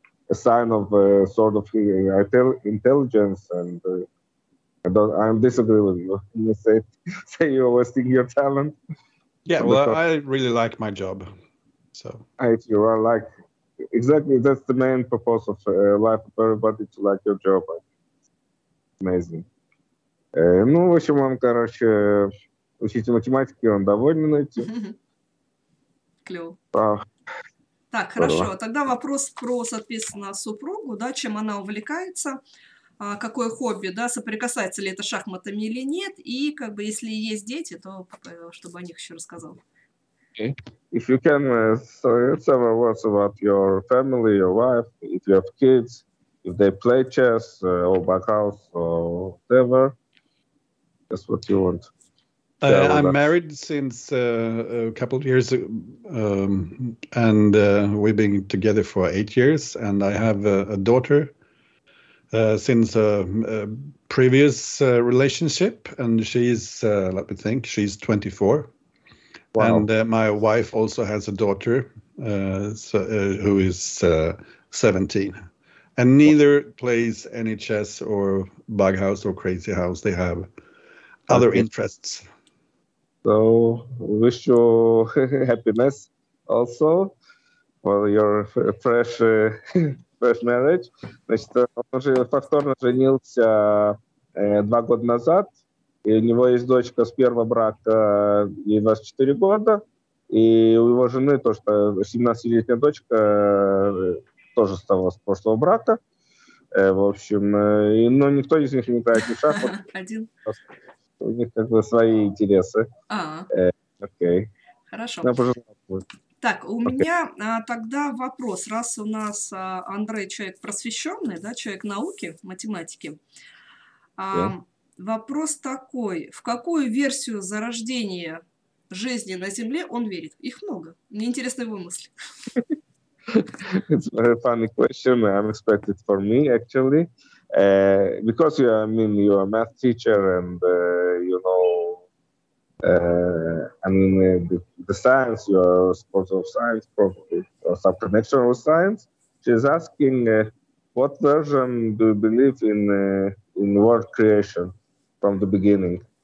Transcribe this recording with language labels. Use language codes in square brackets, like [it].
[en] a sign of a sort of intelligence, and I disagree with you. You say you're wasting your talent. Yeah, well, I really like my job, so. You are like, exactly, that's the main purpose of life, for everybody to like your job. Amazing. [ru] Ну, в общем, он, короче, учитель математики, он доволен этим. Клево. Так, хорошо. Тогда вопрос про, соответственно, супругу, да, чем она увлекается, какое хобби, да, соприкасается ли это с шахматами или нет, и как бы, если есть дети, то чтобы о них еще рассказал. [en] If you can say several words about your family, your wife, if you have kids, if they play chess or bughouse or whatever, that's what you want. I'm married since a couple of years, and we've been together for 8 years, and I have a daughter since a previous relationship, and she's, let me think, she's 24. Wow. And my wife also has a daughter who is 17. And neither plays any chess or bughouse or crazy house. They have other interests. So wish you happiness also for your fresh fresh marriage. [ru] Значит, он уже повторно женился 2 года назад, и у него есть дочка с первого брака, ей 24 года, и у его жены тоже 17-летняя дочка тоже с прошлого брака. В общем, но никто из них не играет ни в шахмат. У них как бы свои интересы. Окей. Хорошо. Так, у меня тогда вопрос. Раз у нас Андре человек просвещенный, да, человек науки, математики. Вопрос такой. В какую версию зарождения жизни на Земле он верит? Их много. Мне интересна его мысль. [en] It's a very funny question. Unexpected for me, actually. Because you, I mean, you're a math teacher and you know, I mean, the science, you're a sport of science, probably, or some connection with science. She's asking, what version do you believe in world creation from the beginning?